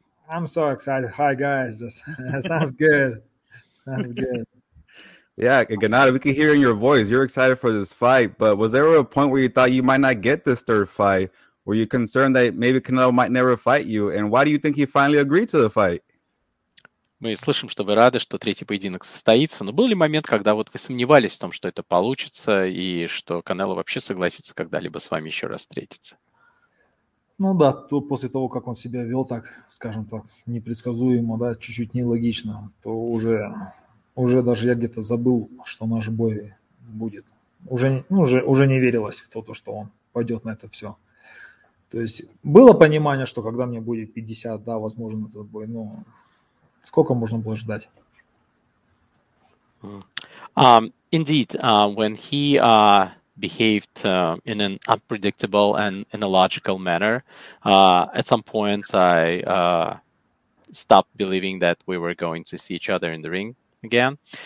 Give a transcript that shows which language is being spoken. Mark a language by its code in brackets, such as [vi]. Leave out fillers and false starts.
[en] I'm so excited. Hi, guys. Just, that sounds good. Sounds good. Yeah, Gennady, we can hear in your voice. You're excited for this fight, but was there a point where you thought you might not get this third fight? Were you concerned that maybe Canelo might never fight you? And why do you think he finally agreed to the fight? [ru] Мы слышим, что вы рады, что третий поединок состоится. Но был ли момент, когда вот вы сомневались в том, что это получится, и что Канело вообще согласится когда-либо с вами еще раз встретиться? Ну да, то после того, как он себя вел так, скажем так, непредсказуемо, да, чуть-чуть нелогично, то уже даже я где-то забыл, что наш бой будет. Уже не верилось в то, что он пойдет на это все. То есть было понимание, что когда мне будет 50, да, возможен этот бой, но... Сколько можно было ждать? [en] Indeed, when he behaved in an unpredictable and illogical manner, at some point I stopped believing that we were going to see each other in the ring again.